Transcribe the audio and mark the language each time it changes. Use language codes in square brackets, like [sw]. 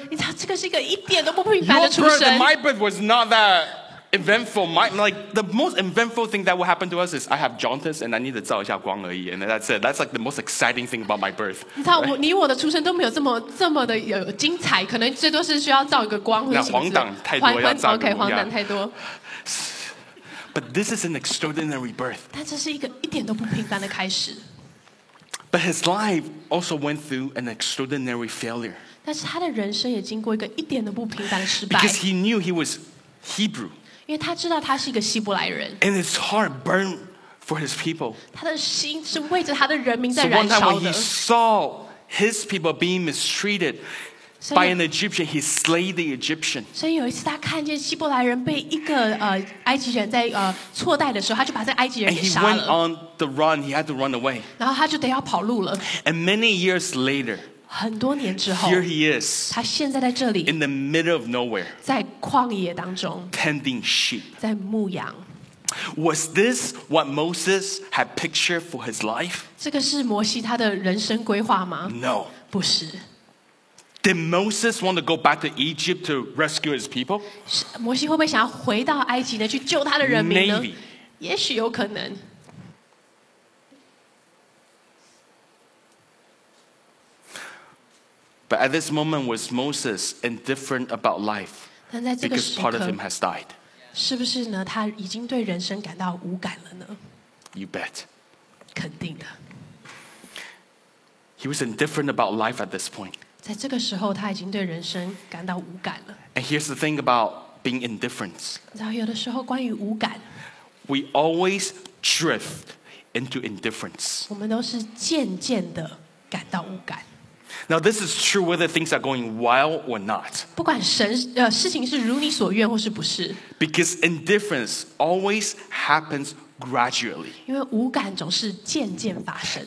[zh] 你知道这个是一个一点都不平凡的出生。 [en] Your birth and my birth was not that eventful. The most eventful thing that will happen to us is I have jaundice and I need to [zh] 照一下光而已 [en] and that's it. That's like the most exciting thing about my birth. [zh] 你知道我你我的出生都没有这么的有精彩，可能最多是需要照一个光或者什么。那黄疸太多要照。 OK， 黄疸太多。 [en] But this is an extraordinary birth. [zh] 但这是一个一点都不平凡的开始。 [en] But his life also went through an extraordinary failure. [zh] 但是他的人生也经过一个一点都不平凡的失败。 [en] Because he knew he was Hebrew. [zh] 因为他知道他是一个希伯来人。 [en] And his heart burned for his people. [zh] 他的心是为着他的人民在燃烧的。 [en] So one time when he saw his people being mistreated by an Egyptian, he slayed the Egyptian. [zh] 所以有一次他看见希伯来人被一个埃及人在错待的时候，他就把这埃及人给杀了。 [en] And he went on. The run, he had to run away. [zh] 然后他就得要跑路了。 [en] And many years later, [zh] 很多年之后 [en] here he is, [zh] 他现在在这里 [en] in the middle of nowhere, [zh] 在旷野当中 [en] tending sheep, [zh] 在牧羊。 [en] Was this what Moses had pictured for his life? [zh] 这个是摩西他的人生规划吗？ [en] No, [zh] 不是。 [en] Did Moses want to go back to Egypt to rescue his people? [zh] 摩西会不会想要回到埃及呢，去救他的人民呢？ [en] Maybe, [zh] 也许有可能。 [en] But at this moment, was Moses indifferent about life? [zh] 但在这个时刻, [en] because part of him has died. [zh] 是不是呢？他已经对人生感到无感了呢？ [en] You bet. [zh] 肯定的。 [en] He was indifferent about life at this point. [zh] 在这个时候，他已经对人生感到无感了。 [en] And here's the thing about being indifferent. [zh] 然后有的时候关于无感。 [en] We always drift into indifference. [zh] 我们都是渐渐的感到无感。 [en] Now this is true whether things are going well or not. [zh] 不管神事情是如你所愿或是不是。 [en] Because indifference always happens gradually. [zh] 因为无感总是渐渐发生。